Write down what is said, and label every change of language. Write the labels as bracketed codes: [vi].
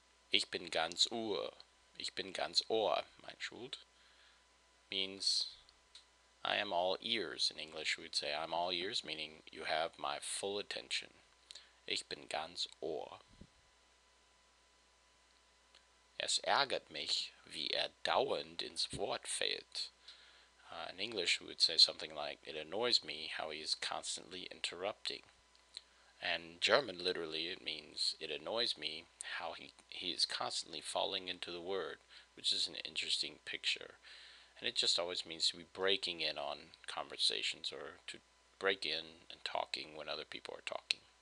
[de] Ich bin ganz Ohr. Ich bin ganz Ohr, mein Schuld. [en] Means I am all ears. In English, we'd say I'm all ears, meaning you have my full attention. [de] Ich bin ganz Ohr. Es ärgert mich, wie dauernd ins Wort fällt. [en] In English, we would say something like, it annoys me how he is constantly interrupting. And German, literally, it means, it annoys me how he is constantly falling into the word, which is an interesting picture. And it just always means to be breaking in on conversations or to break in and talking when other people are talking.